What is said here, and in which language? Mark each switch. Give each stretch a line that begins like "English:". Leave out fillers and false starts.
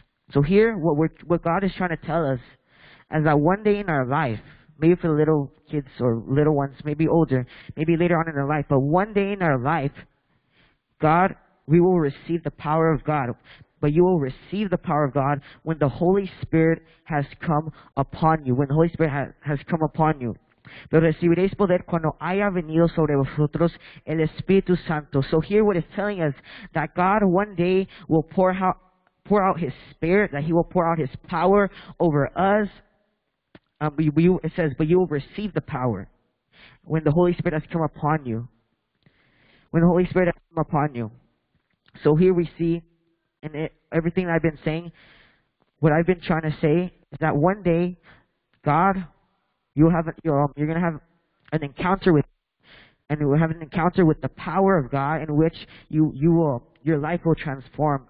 English: So here, what God is trying to tell us is that one day in our life, maybe for the little kids or little ones, maybe older, maybe later on in their life, but one day in our life, God, we will receive the power of God. But you will receive the power of God when the Holy Spirit has come upon you, when the Holy Spirit has come upon you.
Spanish: Pero recibiréis poder cuando haya venido sobre vosotros el Espíritu Santo.
English: So here what it's telling us, that God one day will pour out His Spirit, that He will pour out His power over us. It says, but you will receive the power when the Holy Spirit has come upon you. When the Holy Spirit has come upon you. So here we see, and everything that I've been saying, what I've been trying to say is that one day, God, you're going to have an encounter with Him, and you will have an encounter with the power of God in which you will, your life will transform.